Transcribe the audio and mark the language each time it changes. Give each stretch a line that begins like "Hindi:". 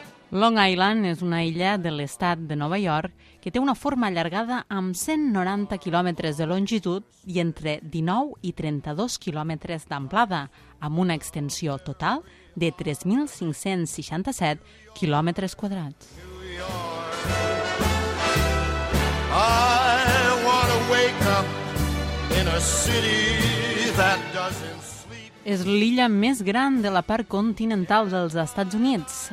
Catalan: Long Island és una illa de l'estat de Nova York que té una forma allargada amb 190 quilòmetres de longitud i entre 19 i 32 quilòmetres d'amplada, amb una extensió total de 3.567 quilòmetres quadrats.
English: I want to wake up in a city that doesn't sleep.
Catalan: És l'illa més gran de la part continental dels Estats Units.